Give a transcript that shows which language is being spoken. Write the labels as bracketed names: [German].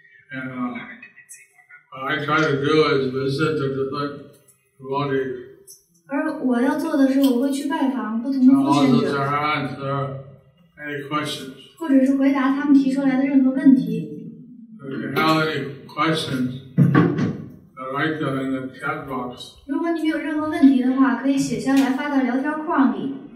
[English] And what I try to do is visit the different devotees. [Chinese] 而我要做的是，我会去拜访不同的佛学者。 [English] And also to answer any questions. [Chinese] 或者是回答他们提出来的任何问题。 [English] If you have any questions, write them in the chat box. [Chinese] 如果你没有任何问题的话，可以写下来发到聊天框里。